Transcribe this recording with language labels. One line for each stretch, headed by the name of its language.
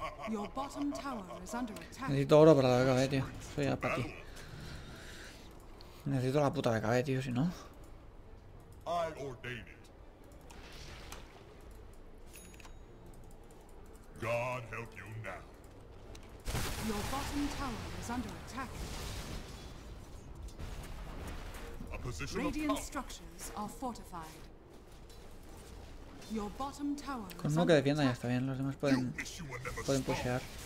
English: Your bottom tower is under attack.
Spanish: Necesito oro para la BKB, tío. Soy ya para ti. Necesito la puta BKB, tío, si no.
English: I ordain it. God help you now. Your bottom tower is under attack. Radiant structures are fortified. Your bottom tower.
Spanish: Con uno que defienda ya está bien, los demás pueden pushear.